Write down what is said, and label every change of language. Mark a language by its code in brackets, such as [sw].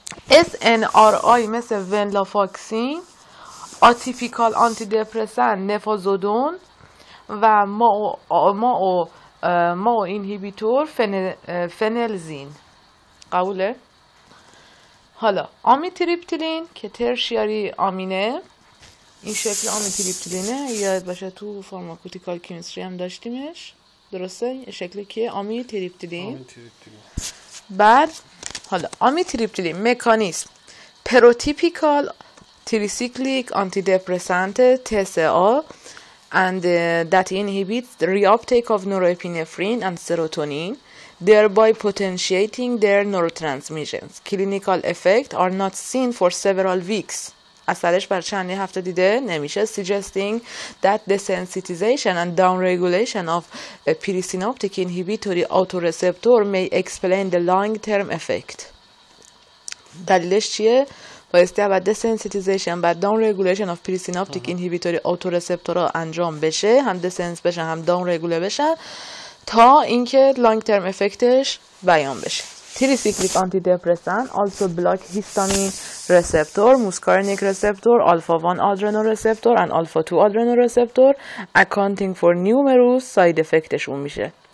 [fa] SNRI مثل ونلافاکسین، آتیپیکال آنتی دپرسن نفازودون و ما او اینهیبیتور فنلزین. قبوله؟ حالا آمیتریپتیلین که ترشیاری آمینه، این شکل آمیتریپتیلینه، یاد باشه تو فارماکوتیکال کیمستری هم داشتیمش، درسته؟ شکل که آمیتریپتیلین. بعد حالا آمیتریپتیلین مکانیسم پروتیپیکال تریسیکلیک آنتی دپرسنت [en] TSA and that inhibits the reuptake of norepinephrine and serotonin thereby potentiating their neurotransmissions. Clinical effect are not seen for several weeks. [fa] اثرش بر چند هفته دیده نمیشه. [en] Suggesting that the sensitization and downregulation of presynaptic inhibitory autoreceptor may explain the long-term effect. [fa] دلیلش چیه؟ بایستی اول دسنسیتیزیشن و داون رگولیشن آف پریسینابتیک اینهیبیتوری آتورسپتور ها انجام بشه، هم دسنس بشن هم داون رگوله بشن، تا اینکه لانگ ترم افکتش بیان بشه. [en] Tricyclic antidepressants also block histamine receptor, muscarinic receptor, alpha 1 adreno receptor و alpha 2 adreno receptor, accounting for numerous side افکتشون میشه.